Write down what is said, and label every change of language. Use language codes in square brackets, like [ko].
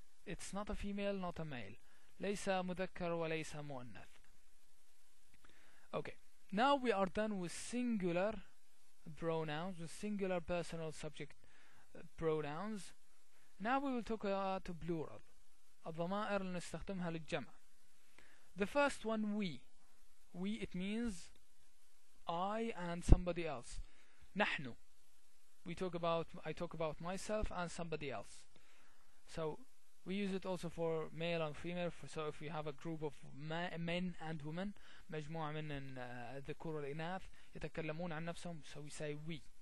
[en] It's not a female, not a male. [ar] ليس مذكر وليس مؤنث. Okay. [en] Now we are done with singular pronouns, with singular personal subject pronouns. Now we will talk about plural. [ar] الضمائر اللي نستخدمها للجمع. [en] The first one, we. We, it means I and somebody else. [ar] نحن. [en] I talk about myself and somebody else. So we use it also for male and female. So if we have a group of men and women, [ar] مجموعة من الذكور والإناث يتكلمون عن نفسهم, [en] so we say we.